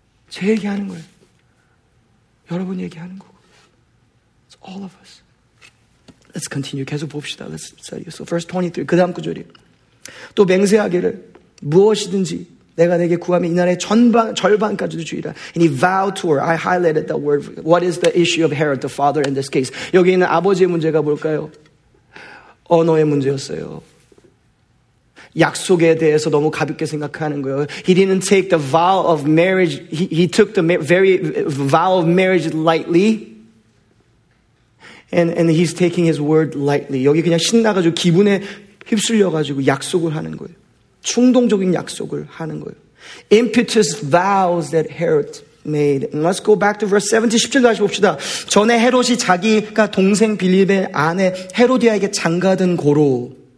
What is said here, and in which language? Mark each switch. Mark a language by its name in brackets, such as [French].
[Korean] 제 얘기하는 거예요. 여러분 얘기하는 거고. [English] It's all of us. Let's continue. [Korean] 계속 봅시다. [English] Let's study. So verse 23. [Korean] 그 다음 구절이요. 또 맹세하기를 무엇이든지 내가 내게 구하면 이 나라의 절반까지도 주리라. [English] And he vowed to her. I highlighted that word. What is the issue of Herod, the father in this case? [Korean] 여기 있는 아버지의 문제가 뭘까요? 언어의 문제였어요. 약속에 대해서 너무 가볍게 생각하는 거예요. [English] He didn't take the vow of marriage. He took the very vow of marriage lightly. And he's taking his word lightly. [Korean] 여기 그냥 신나가지고 기분에 휩쓸려가지고 약속을 하는 거예요. 충동적인 약속을 하는 거예요. [English] Impetuous vows that Herod made. And let's go back to verse 17 [Korean] 다시 봅시다. 전에 헤롯이 자기가 동생 빌립의 아내 헤로디아에게 장가든 고로.